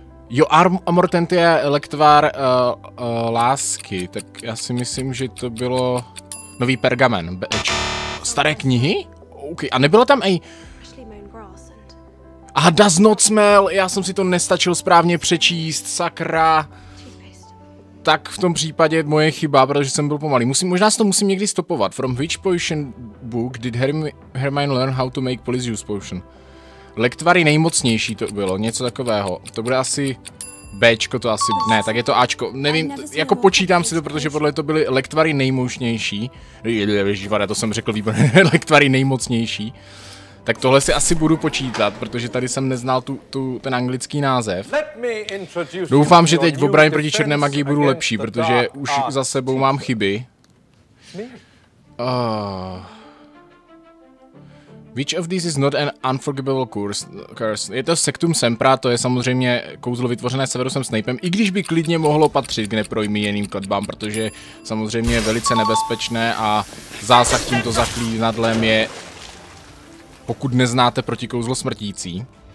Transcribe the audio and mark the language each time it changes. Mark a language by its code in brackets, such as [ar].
[cs] Jo, Amortentia lektvar lásky, tak já si myslím, že to bylo nový pergamen, staré knihy? OK, a nebylo tam ej... Aha, [en] does not smell, [cs] já jsem si to nestačil správně přečíst, sakra. Tak v tom případě moje chyba, protože jsem byl pomalý. Možná si to musím někdy stopovat. [en] From which potion book did Hermione learn how to make Polyjuice potion? [cs] Lektvary nejmocnější to bylo, něco takového. To bude asi Bčko to asi, ne, tak je to Ačko. Nevím, jako počítám si to, protože podle to byly lektvary nejmocnější. Ježišvare, to jsem řekl výborně, lektvary nejmocnější. Tak tohle si asi budu počítat, protože tady jsem neznal ten anglický název. Doufám, že teď v obraně proti černé magii budu lepší, protože už za sebou mám chyby. [en] Which of these is not an unforgivable curse? [cs] Je to Sectum Sempra, to je samozřejmě kouzlo vytvořené Severusem Snapem, i když by klidně mohlo patřit k neprojmíjeným kletbám, protože samozřejmě je velice nebezpečné a zásah tímto zaklínadlem je... Pokud neznáte protikouzlo smrtící.